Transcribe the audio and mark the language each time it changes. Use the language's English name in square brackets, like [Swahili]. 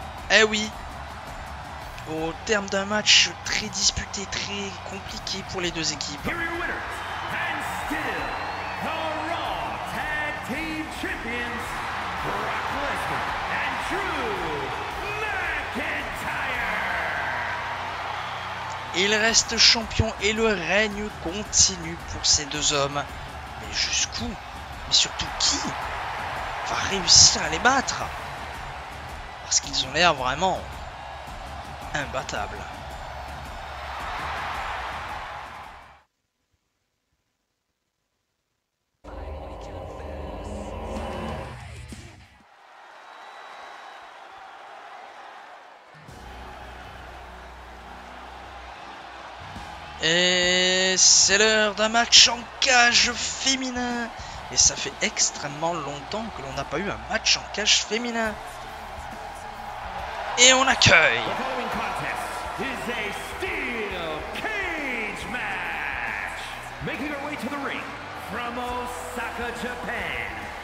[French] Eh oui, au terme d'un match très disputé, très compliqué pour les deux équipes. [English] Here are your winners, and still the Raw Tag Team Champions, Brock Lesnar and Drew McIntyre. [French] Il reste champion et le règne continue pour ces deux hommes. Mais jusqu'où? Mais surtout qui va réussir à les battre? Parce qu'ils ont l'air vraiment imbattables. Et c'est l'heure d'un match en cage féminin. Et ça fait extrêmement longtemps que l'on n'a pas eu un match en cage féminin. Et on accueille. [English] The following contest is a steel cage match. Making her way to the ring from Osaka, Japan.